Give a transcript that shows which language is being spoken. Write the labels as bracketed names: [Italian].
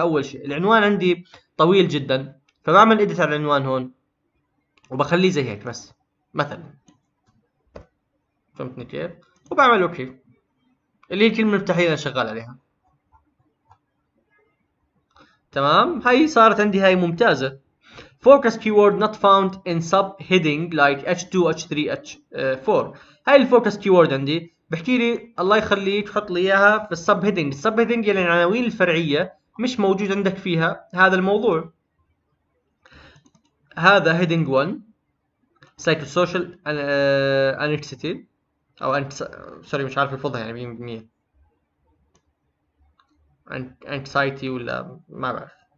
[Arabic] اول شيء العنوان عندي طويل جدا، فبعمل اديت على العنوان هون وبخليه زي هيك بس مثلا، فهمتني كيف؟ وبعمل اوكي، اللي هي كلمه التحليل انا شغال عليها. تمام، هاي صارت عندي هاي ممتازه. [English] Focus keyword not found in subheading like H2, H3, H4. [Arabic] هاي الفوكس كيورد عندي، بحكي لي الله يخليك حط لي اياها في السب هيدنج. السب هيدنج يعني العناوين الفرعيه، مش موجود عندك فيها هذا الموضوع. هذا هيدنج 1 سايكو سوشيال انكسيتي، او سوري مش عارف الفضه يعني 100% انكسايتي ولا ما بعرف.